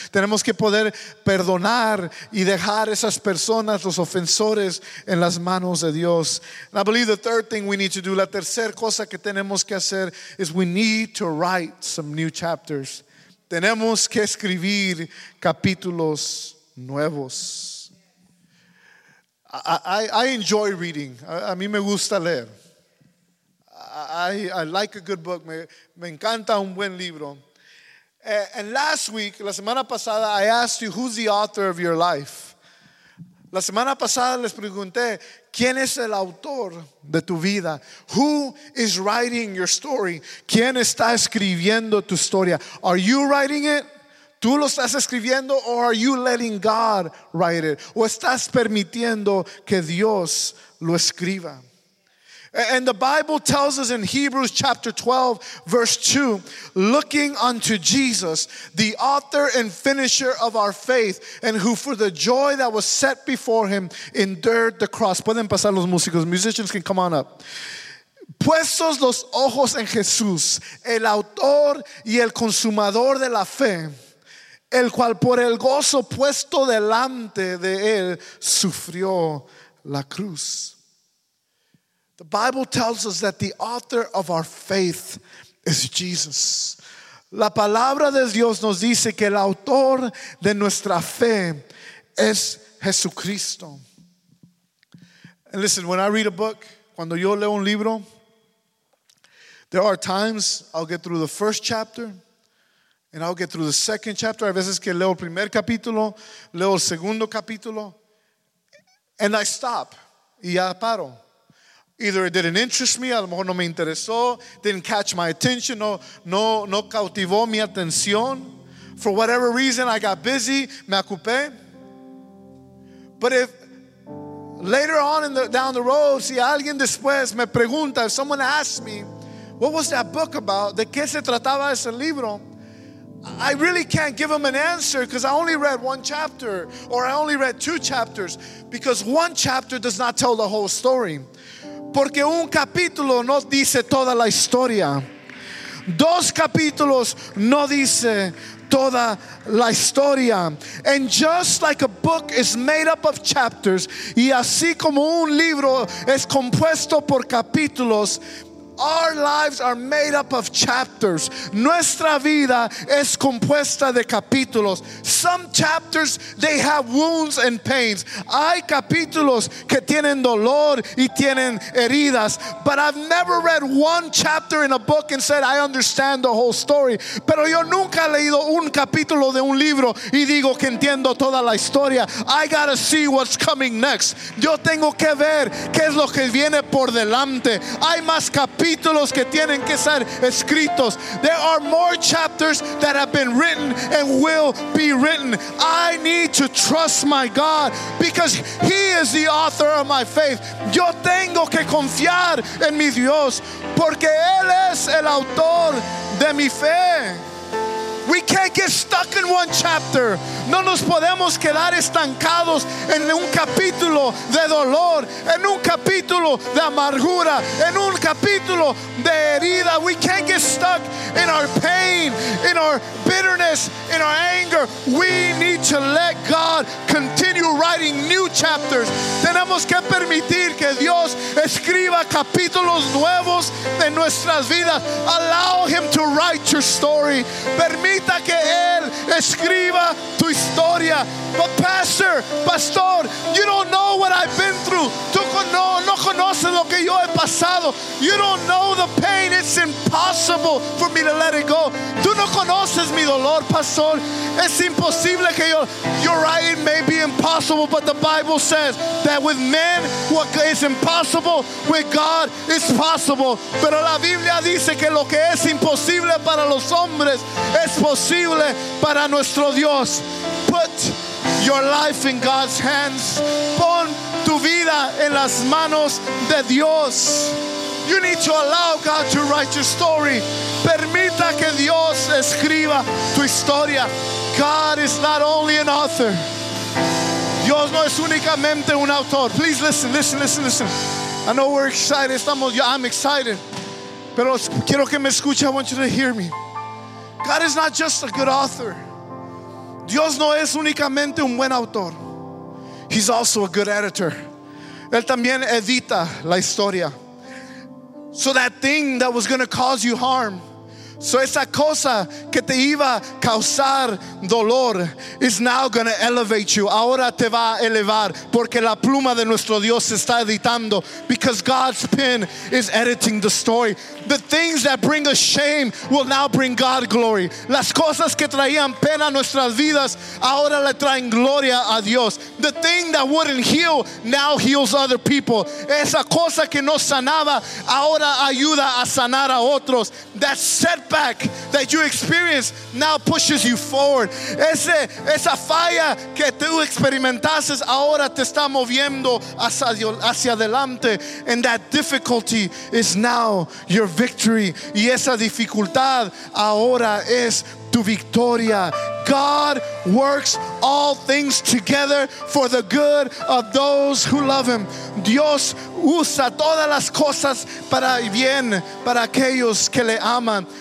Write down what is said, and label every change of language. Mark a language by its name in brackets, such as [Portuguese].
[Spanish] Tenemos que poder perdonar y dejar esas personas, los ofensores, en las manos de Dios. [English] And I believe the third thing we need to do, [Spanish] la tercera cosa que tenemos que hacer, [English] is we need to write some new chapters. [Spanish] Tenemos que escribir capítulos nuevos. [English] I enjoy reading. [Spanish] A mí me gusta leer. [English] I like a good book. [Spanish] Me encanta un buen libro. [English] And last week, [Spanish] la semana pasada, [English] I asked you, who's the author of your life? [Spanish] La semana pasada les pregunté, ¿quién es el autor de tu vida? [English] Who is writing your story? [Spanish] ¿Quién está escribiendo tu historia? [English] Are you writing it? [Spanish] ¿Tú lo estás escribiendo, [English] or are you letting God write it? [Spanish] ¿O estás permitiendo que Dios lo escriba? [English] And the Bible tells us in Hebrews chapter 12, verse 2, looking unto Jesus, the author and finisher of our faith, and who for the joy that was set before him endured the cross. [Spanish] Pueden pasar los músicos. [English] Musicians can come on up. [Spanish] Puestos los ojos en Jesús, el autor y el consumador de la fe, el cual por el gozo puesto delante de él sufrió la cruz. [English] The Bible tells us that the author of our faith is Jesus. [Spanish] La palabra de Dios nos dice que el autor de nuestra fe es Jesucristo. [English] And listen, when I read a book, [Spanish] cuando yo leo un libro, [English] there are times I'll get through the first chapter, and I'll get through the second chapter. [Spanish] A veces que leo el primer capítulo, leo el segundo capítulo, [English] and I stop. [Spanish] Y ya paro. [English] Either it didn't interest me, [Spanish] a lo mejor no me interesó, [English] didn't catch my attention, [Spanish] no cautivó mi atención. [English] For whatever reason, I got busy, [Spanish] me ocupé. [English] But if later on in the, down the road, [Spanish] si alguien después me pregunta, [English] if someone asks me, what was that book about? [Spanish] ¿De qué se trataba ese libro? [English] I really can't give them an answer because I only read one chapter, or I only read two chapters, because one chapter does not tell the whole story. [Spanish] Porque un capítulo no dice toda la historia. Dos capítulos no dice toda la historia. [English] And just like a book is made up of chapters, [Spanish] y así como un libro es compuesto por capítulos, [English] our lives are made up of chapters. [Spanish] Nuestra vida es compuesta de capítulos. [English] Some chapters, they have wounds and pains. [Spanish] Hay capítulos que tienen dolor y tienen heridas. [English] But I've never read one chapter in a book and said, I understand the whole story. [Spanish] Pero yo nunca he leído un capítulo de un libro y digo que entiendo toda la historia. [English] I gotta see what's coming next. [Spanish] Yo tengo que ver qué es lo que viene por delante. Hay más capítulos. [English] There are more chapters that have been written and will be written. I need to trust my God because He is the author of my faith. [Spanish] Yo tengo que confiar en mi Dios porque Él es el autor de mi fe. [English] We can't get stuck in one chapter. [Spanish] No nos podemos quedar estancados en un capítulo de dolor, en un capítulo de amargura, en un capítulo de herida. [English] We can't get stuck in our pain, in our bitterness, in our anger. We need to let God continue writing new chapters. [Spanish] Tenemos que permitir que Dios escriba capítulos nuevos en nuestras vidas. [English] Allow Him to write your story. [Spanish] Permite permita que Él escriba tu historia. [English] But pastor, pastor, you don't know what I've been through. [Spanish] Tú no conoces lo que yo he pasado. [English] You don't know the pain. It's impossible for me to let it go. [Spanish] Tú no conoces mi dolor, pastor. Es imposible que yo. [English] You're right, it may be impossible, but the Bible says that with men what is impossible, with God is possible. [Spanish] Pero la Biblia dice que lo que es imposible para los hombres es posible para nuestro Dios. [English] Put your life in God's hands. [Spanish] Pon tu vida en las manos de Dios. [English] You need to allow God to write your story. [Spanish] Permita que Dios escriba tu historia. [English] God is not only an author. [Spanish] Dios no es únicamente un autor. [English] Please listen, listen, listen, listen. I know we're excited. I'm excited. [Spanish] Pero quiero que me escuche. [English] I want you to hear me. God is not just a good author. [Spanish] Dios no es únicamente un buen autor. [English] He's also a good editor. [Spanish] Él también edita la historia. [English] So that thing that was going to cause you harm, so [Spanish] esa cosa que te iba a causar dolor, [English] is now going to elevate you. [Spanish] Ahora te va a elevar porque la pluma de nuestro Dios está editando. [English] Because God's pen is editing the story. The things that bring us shame will now bring God glory. [Spanish] Las cosas que traían pena a nuestras vidas ahora le traen gloria a Dios. [English] The thing that wouldn't heal now heals other people. [Spanish] Esa cosa que no sanaba ahora ayuda a sanar a otros. [English] That setback that you experience now pushes you forward. [Spanish] Esa falla que tú experimentaste ahora te está moviendo hacia adelante. [English] And that difficulty is now your victory. [Spanish] Y esa dificultad ahora es tu victoria. [English] God works all things together for the good of those who love Him. [Spanish] Dios usa todas las cosas para bien para aquellos que le aman.